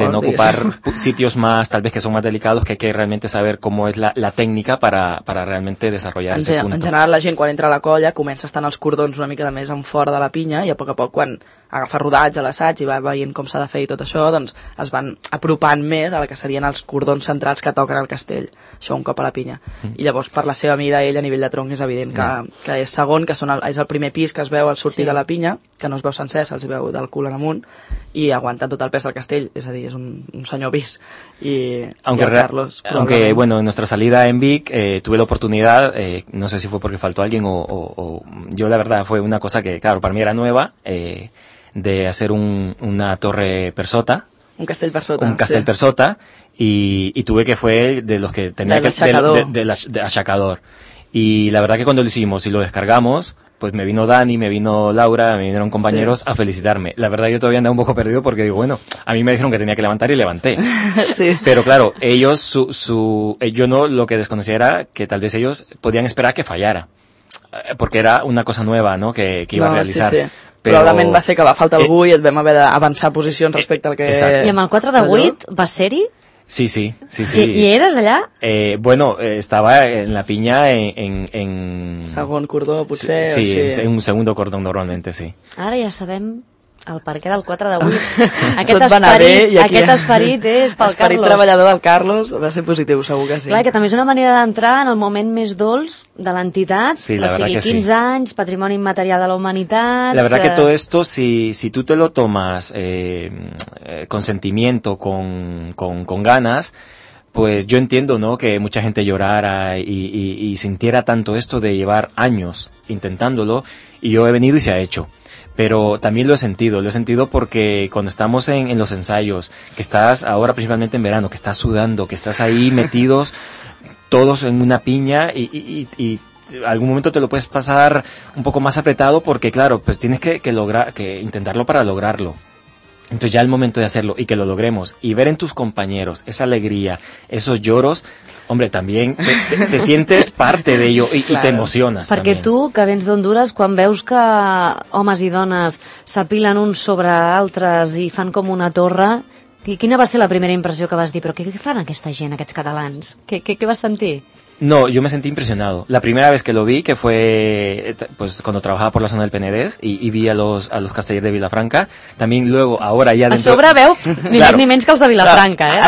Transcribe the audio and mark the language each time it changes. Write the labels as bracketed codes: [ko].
[es] De no ocupar sitios más, tal vez que son más delicados, que hay que realmente saber cómo es la técnica para realmente desarrollar ese punto. [ca] En general, la gent quan entra a la colla comença a estar en els cordons una mica de més enfora de la pinya i a poc quan agafa rodatge a l'assaig i va veient com s'ha de fer i tot això, doncs es van apropant més a la que serien els cordons centrals que toquen el castell, això un cop a la pinya. I llavors, per la seva mida, ell a nivell de tronc és evident que és segon, que és el primer pis que es veu al sortir, sí, de la pinya, que no es veu sencer, se'ls veu del cul en amunt, i aguantant tot el pes del castell, és a dir, és un senyor vis. I, [es] aunque, [ca] i el Carlos, [es] aunque, bueno, en nuestra salida en Vic tuve la oportunidad, no sé si fue porque faltó alguien o yo, la verdad, fue una cosa que, claro, para mí era nueva, de hacer una torre [ca] per sota. Un castell per sota. Un castell, sí, per sota. [es] Y tuve que fue él de los que tenía del que... Achacador. De achacador. Y la verdad que cuando lo hicimos y lo descargamos, pues me vino Dani, me vino Laura, me vinieron compañeros, sí, a felicitarme. La verdad yo todavía andaba un poco perdido porque digo, bueno, a mí me dijeron que tenía que levantar y levanté. Sí. Pero claro, ellos, yo no, lo que desconocía era que tal vez ellos podían esperar que fallara. Porque era una cosa nueva, ¿no? Que iba, no, a realizar. [ca] Sí, sí. Però... Probablement va ser que va faltar algú i et vam haver d'avançar posicions respecte al que... Exacte. I amb el 4 de 8 allò? Va ser-hi? Sí, sí, sí, sí. I eres allà? Bueno, estava en la pinya en... Segon cordó, potser. [es] Sí, sí, sí, en un segundo cordó, normalment, sí. [ca] Ara ja sabem el perquè del 4 de 8. Aquest tot esperit, va anar bé, i aquí... Aquest esperit és pel Carlos. Esperit treballador del Carlos va ser positiu, segur que sí. Clar, que també és una manera d'entrar en el moment més dolç de l'entitat. [es] Sí, la verdad que sí. [ca] 15 anys, patrimoni immaterial de la humanitat... [es] La verdad que todo esto, si tú te lo tomas con sentimiento, con ganas, pues yo entiendo, ¿no?, que mucha gente llorara y sintiera tanto esto de llevar años intentándolo, y yo he venido y se ha hecho. Pero también lo he sentido porque cuando estamos en los ensayos, que estás ahora principalmente en verano, que estás sudando, que estás ahí metidos todos en una piña y algún momento te lo puedes pasar un poco más apretado porque claro, pues tienes que intentarlo para lograrlo. Entonces ya el momento de hacerlo y que lo logremos y ver en tus compañeros esa alegría, esos lloros, hombre, también te sientes parte de ello y, claro, y te emocionas. [ca] Porque tú, que vens d'Honduras, quan veus que homes i dones s'apilen uns sobre altres i fan com una torre, quina va ser la primera impressió que vas dir? Però què fan aquesta gent, aquests catalans? Què vas sentir? [es] No, yo me sentí impresionado. La primera vez que lo vi, que fue pues cuando trabajaba por la zona del Penedès y vi a los castellers de Vilafranca, también luego, ahora ya dentro... [ca] A sobre veu ni claro, més ni menys que els de Vilafranca, claro, eh?